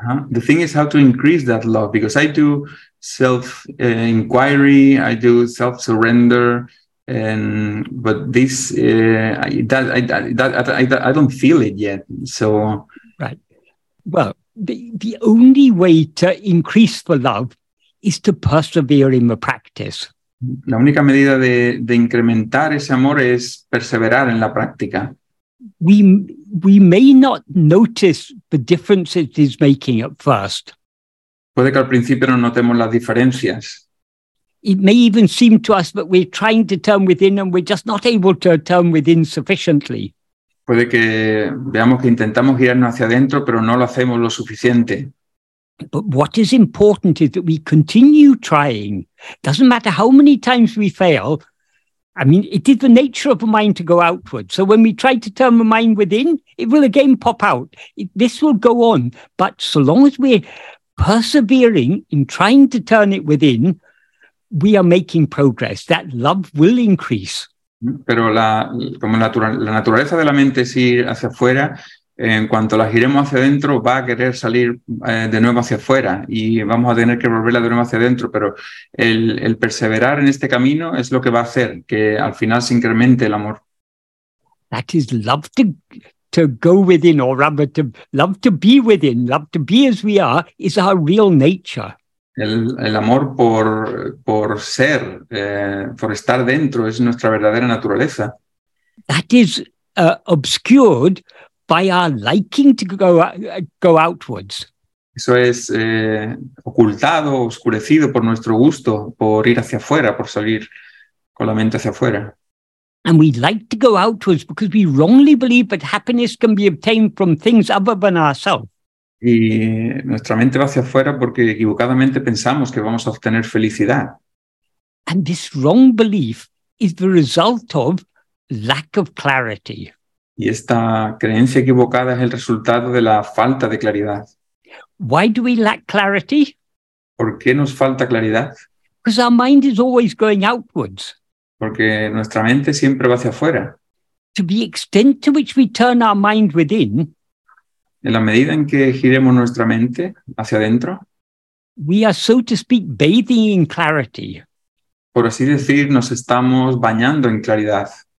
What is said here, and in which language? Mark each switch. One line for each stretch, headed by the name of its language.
English: The thing is how to increase that love, because I do self-inquiry, I do self-surrender, but I don't feel it yet. So, right. Well, the only way to increase the love is to persevere in the practice.
Spanish: La única medida de incrementar ese amor es perseverar en la práctica.
English: We may not notice the difference it is making at first.
Spanish: Puede que al principio no notemos las diferencias.
English: It may even seem to us that we're trying to turn within and we're just not able to turn within sufficiently.
Spanish: Puede que veamos que intentamos girarnos hacia adentro, pero no lo hacemos lo suficiente.
English: But what is important is that we continue trying. Doesn't matter how many times we fail. I mean, it is the nature of the mind to go outward. So when we try to turn the mind within, it will again pop out. This will go on. But so long as we're persevering in trying to turn it within, we are making progress. That love will increase.
Spanish: Pero la naturaleza de la mente es ir hacia afuera. En cuanto la giremos hacia adentro, va a querer salir de nuevo hacia afuera y vamos a tener que volverla de nuevo hacia adentro. Pero el perseverar en este camino es lo que va a hacer que al final se incremente el amor.
English: That is love to go within, or rather to love to be within, love to be as we are, is our real nature.
Spanish: El amor por ser, por estar dentro, es nuestra verdadera naturaleza.
English: That is obscured by our liking to go outwards.
Spanish: Eso es ocultado, oscurecido por nuestro gusto, por ir hacia afuera, por salir con la mente hacia afuera.
English: And we like to go outwards because we wrongly believe that happiness can be obtained from things other than ourselves.
Spanish: Y nuestra mente va hacia afuera porque equivocadamente pensamos que vamos a obtener felicidad.
English: And this wrong belief is the result of lack of clarity.
Spanish: Y esta creencia equivocada es el resultado de la falta de claridad.
English: Why do we lack clarity?
Spanish: ¿Por qué nos falta claridad?
English: Because our mind is always going outwards.
Spanish: Porque nuestra mente siempre va hacia afuera.
English: To the extent to which we turn our mind within,
Spanish: en la medida en que giremos nuestra mente hacia adentro,
English: we are, so to speak, bathing in clarity.
Spanish: Por así decir, nos estamos bañando en claridad.